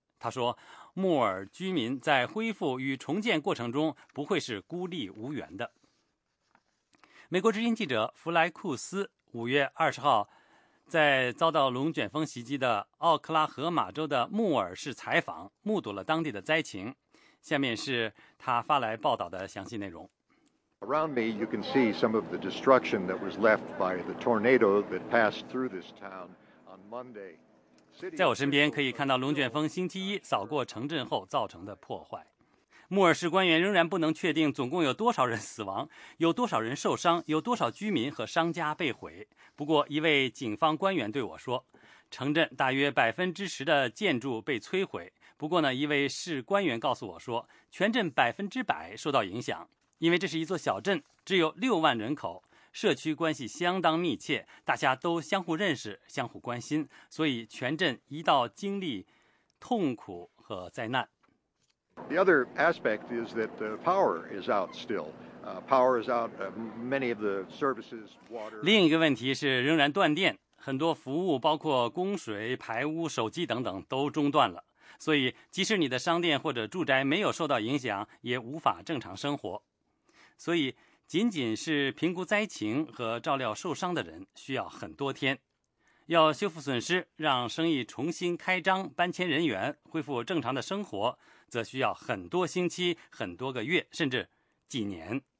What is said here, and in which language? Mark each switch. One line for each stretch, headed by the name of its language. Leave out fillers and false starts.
Chinese: 他说，穆尔居民在恢复与重建过程中不会是孤立无援的。美国之音记者弗莱库斯5月20号在遭到龙卷风袭击的奥克拉荷马州的穆尔市采访，目睹了当地的灾情。下面是他发来报道的详细内容。
English: Around me, you can see some of the destruction that was left by the tornado that passed through this town on Monday.
Chinese: 在我身边可以看到龙卷风星期一扫过城镇后造成的破坏。穆尔市官员仍然不能确定总共有多少人死亡，有多少人受伤，有多少居民和商家被毁。不过，一位警方官员对我说，城镇大约10%的建筑被摧毁。不过呢，一位市官员告诉我说，全镇100%受到影响。因为这是一座小镇，只有6万人口，社区关系相当密切，大家都相互认识，相互关心，所以全镇一道经历痛苦和灾难。
English: The other aspect is that the power is out still. Power is out. Many of the services, water.
Chinese: 另一个问题是仍然断电，很多服务包括供水、排污、手机等等都中断了，所以即使你的商店或者住宅没有受到影响，也无法正常生活。所以仅仅是评估灾情和照料受伤的人需要很多天，要修复损失，让生意重新开张，搬迁人员恢复正常的生活，则需要很多星期，很多个月，甚至几年。